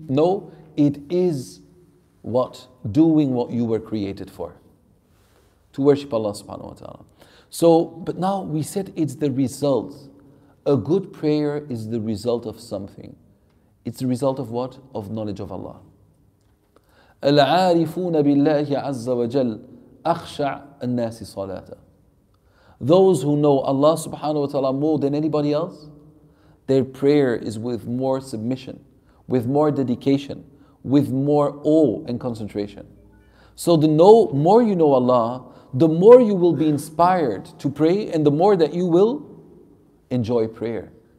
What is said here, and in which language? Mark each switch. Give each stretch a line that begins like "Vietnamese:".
English: No, it is what? Doing what you were created for. To worship Allah subhanahu wa ta'ala. So, but now we said it's the result. A good prayer is the result of something. It's the result of what? Of knowledge of Allah.
Arabic: العارفون بالله عز وجل أخشع الناس صلاة.
English: Those who know Allah subhanahu wa ta'ala more than anybody else, their prayer is with more submission, with more dedication, with more awe and concentration. So the more you know Allah, the more you will be inspired to pray and the more that you will enjoy prayer.